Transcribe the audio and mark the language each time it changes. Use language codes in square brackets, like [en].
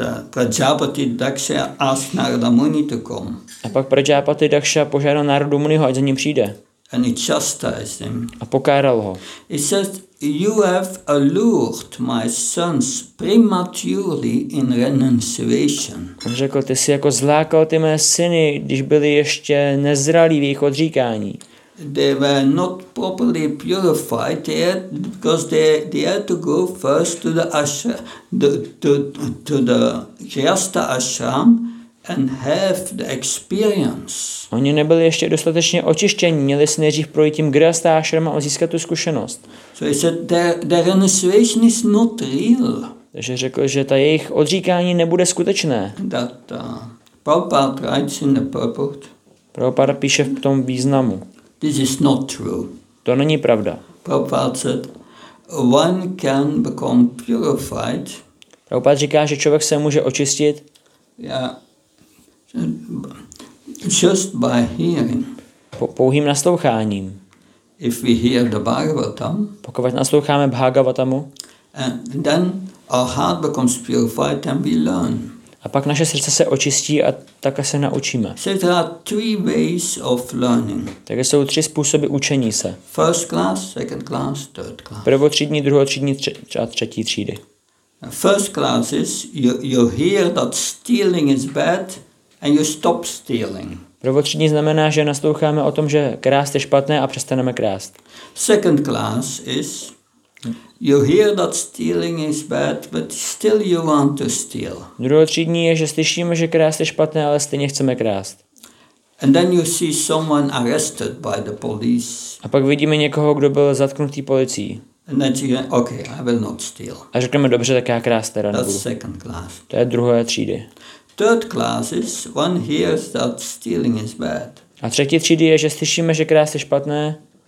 [en] Prajapati Daksha asked Narada Muni to come. [cs] A pak Prajapati Daksha požádal Narada Muniho, ať za ním přijde. [en] And he chastised him. [cs] A pokáral ho. [en] He says, you have allured my sons prematurely in renunciation. [cs] On řekl, ty jsi jako zlákal ty mé syny, když byli ještě nezralí v jejich odříkání. [en] They were not properly purified yet because they had to go first to the ashram, to the Grihastha ashram and have the experience. [cs] Oni nebyli ještě dostatečně očištění, měli si nejdřív projít tím Grihastha ashram a získat tu zkušenost. [en] So he said the renunciation is not real. [cs] Takže řekl, že ta jejich odříkání nebude skutečné. [en] That Prabhupada writes in the purport. [cs] Prabhupada píše v tom významu. [en] This is not true. [cs] To není pravda. [en] Prabhupada said, one can become purified. [cs] Prabhupada říká, že člověk se může očistit. [en] Yeah. Just by hearing. [cs] Pouhým nasloucháním. [en] If we hear the Bhagavatam. [cs] Pokud nasloucháme Bhagavatamu. [en] And then our heart becomes purified and we learn. [cs] A pak naše srdce se očistí a také se naučíme. [en] So there are three ways of learning. [cs] Takže jsou tři způsoby učení se. [en] First class, second class, third class. [cs] Prvotřídní, druhotřídní a třetí třídy. [en] First class is you hear that stealing is bad and you stop stealing. [cs] Prvotřídní znamená, že nasloucháme o tom, že krást je špatné a přestaneme krást. [en] Second class is you hear that stealing is bad, but still you want to steal. [cs] Druhotřídní je, že slyšíme, že krást je špatné, ale stejně chceme krást. [en] And then you see someone arrested by the police. [cs] A pak vidíme někoho, kdo byl zatknutý policií. [en] And then you say, okay, I will not steal. [cs] A řekneme, dobře, tak já krást teda nebudu. [en] That's second class. [cs] To je druhé třídy. [en] Third class is one hears that stealing is bad. [cs] A třetí třídy je, že slyšíme, že krást je špatné.